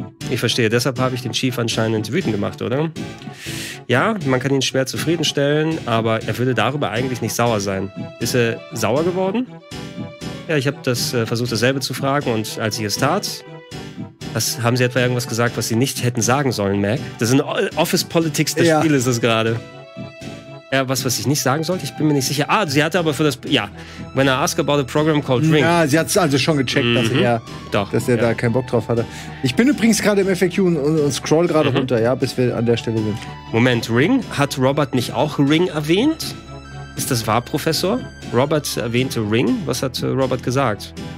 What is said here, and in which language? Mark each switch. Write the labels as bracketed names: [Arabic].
[German] Ich verstehe, deshalb habe ich den Chief anscheinend wütend gemacht, oder? Ja, man kann ihn schwer zufriedenstellen, aber er würde darüber eigentlich nicht sauer sein. Ist er sauer geworden? Ja, ich habe das versucht, dasselbe zu fragen, und als ich es tat, haben Sie etwa irgendwas gesagt, was Sie nicht hätten sagen sollen, Mac? Das sind Office Politics des Spiels, ist das gerade. Ja, was ich nicht sagen sollte? Ich bin mir nicht sicher. Ah, sie hatte aber für das. [English] Ja, when I ask about a program called Ring. [German] Ja, sie hat es also schon gecheckt, dass er da keinen Bock drauf hatte. Ich bin übrigens gerade im FAQ und scroll gerade runter, ja, bis wir an der Stelle sind. Moment, Ring? Hat Robert nicht auch Ring erwähnt? Ist das wahr, Professor? Robert erwähnte Ring? Was hat Robert gesagt?